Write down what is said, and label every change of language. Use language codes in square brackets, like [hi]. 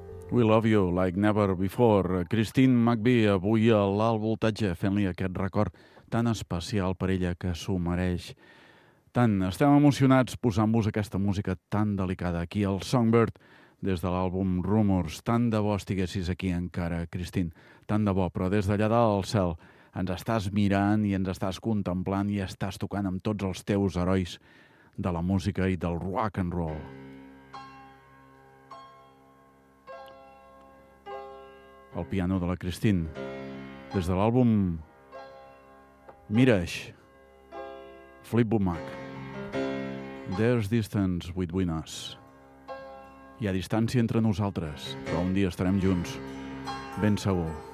[en] We love you like never before. [ca] Christine McVie avui a l'Alt Voltatge fent-li aquest record tan especial per ella que s'ho mereix tant. Estem emocionats posant-vos aquesta música tan delicada aquí al Songbird des de l'àlbum Rumors. Tant de bo estiguessis aquí encara, Christine. Tant de bo, però des d'allà dalt al cel ens estàs mirant i ens estàs contemplant i estàs tocant amb tots els teus herois de la música i del rock and roll. El piano de la Christine, des de l'àlbum Mirage, Fleetwood Mac. [en] There's distance between us. [ca] Hi ha distància entre nosaltres, però un dia estarem junts, ben segur.